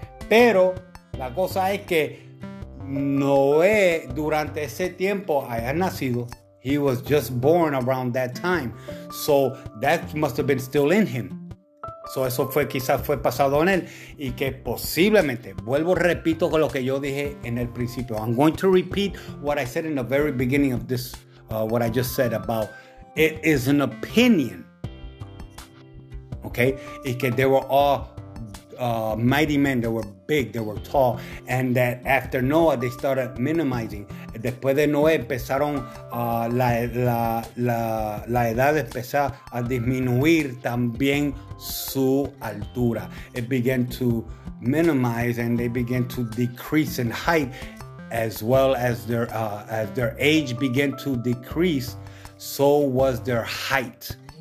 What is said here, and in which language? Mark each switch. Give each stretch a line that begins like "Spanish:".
Spanish: Pero la cosa es que Noé durante ese tiempo haya nacido.
English: He was just born around that time. So that must have been still in him.
Spanish: So eso fue, quizás fue pasado en él. Y que posiblemente, vuelvo, repito con lo que yo dije en el principio.
English: I'm going to repeat what I said in the very beginning of this, what I just said about it is an opinion. Okay? Y que they were all mighty men. They were big, they were tall. And that after Noah, they started minimizing.
Spanish: Después de Noé empezaron la edad empezó a disminuir también su altura.
English: It began to minimize and they began to decrease in height as well as their age began to decrease, so was their height.